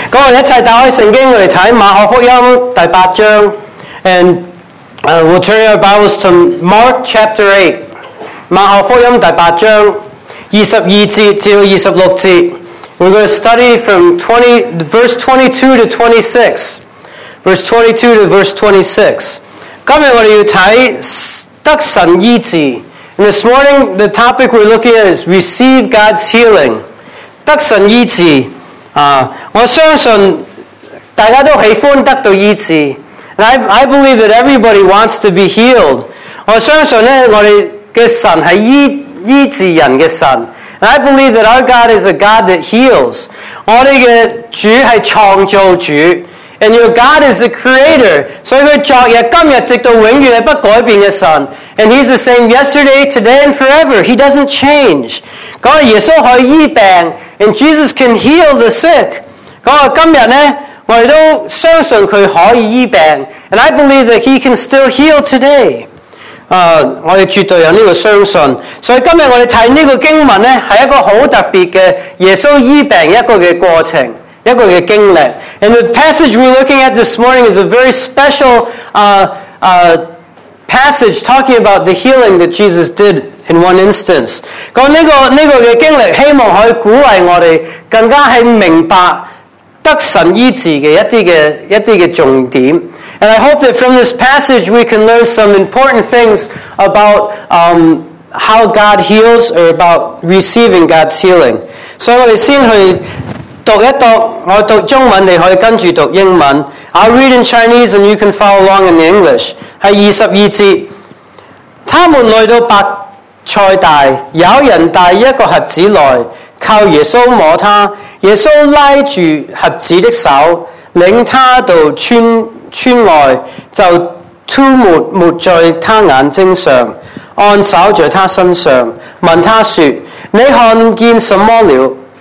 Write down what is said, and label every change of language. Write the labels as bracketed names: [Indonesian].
[Chinese] 各位一起打开圣经，我们看马可福音第八章。 [English] And we'll turn our Bibles to Mark chapter 8. [Chinese] 马可福音第八章22-26. [English] We're going to study from verse 22 to 26. [Chinese] 今天我们要看得神医治。 [English] And this morning, the topic we're looking at is receive God's healing. [Chinese] 得神医治。我相信大家都喜欢得到医治。 [English] And I believe that everybody wants to be healed. [Chinese] 我相信呢，我们的神是医治人的神。 [English] And I believe that our God is a God that heals. [Chinese] 我们的主是创造主。 [English] And your God is the creator. [Chinese] 所以他昨日今日直到永远是不改变的神。 [English] And he's the same yesterday, today, and forever. He doesn't change. [Chinese] 那耶稣可以医病。 [English] And Jesus can heal the sick. [Chinese] 今天呢，我们都相信祂可以医病。 [English] And I believe that He can still heal today. [Chinese] 我们绝对有这个相信。所以今天我们看这个经文呢，是一个很特别的耶稣医病一个的过程，一个的经历。 [English] And the passage we're looking at this morning is a very special passage talking about the healing that Jesus did. In one instance. [Chinese] 这个经历希望可以鼓励我们更加是明白得神医治的一些重点。 [English] And I hope that from this passage we can learn some important things about how God heals or about receiving God's healing. [Chinese] 所以我们先去读一读，我读中文，你可以跟着读英文。 [English] I'll read in Chinese and you can follow along in the English. [Chinese] 是22节。他们来到白赛大，有人带一个瞎子来，靠耶稣摸他。耶稣拉住瞎子的手，领他到村外，就吐沫抹在他眼睛上，按手在他身上，问他说：你看见什么了？